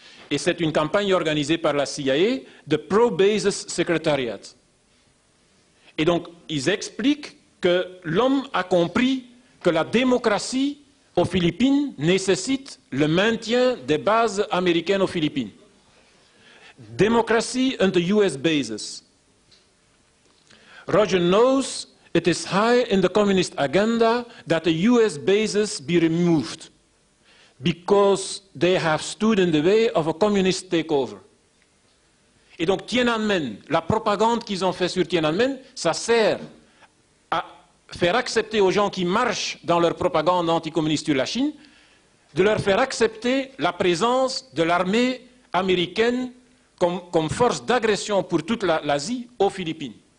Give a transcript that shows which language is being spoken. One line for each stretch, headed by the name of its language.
French: Et c'est une campagne organisée par la CIA, The Pro-Bases Secretariat. Et donc, ils expliquent que l'homme a compris que la démocratie aux Philippines nécessite le maintien des bases américaines aux Philippines.
English: Democracy and the US bases. Roger knows it is high in the communist agenda that the US bases be removed. Because they have stood in the way of a communist takeover.
French: Et donc Tiananmen, la propagande qu'ils ont fait sur Tiananmen, ça sert à faire accepter aux gens qui marchent dans leur propagande anticommuniste sur la Chine, de leur faire accepter la présence de l'armée américaine comme force d'agression pour toute l'Asie aux Philippines.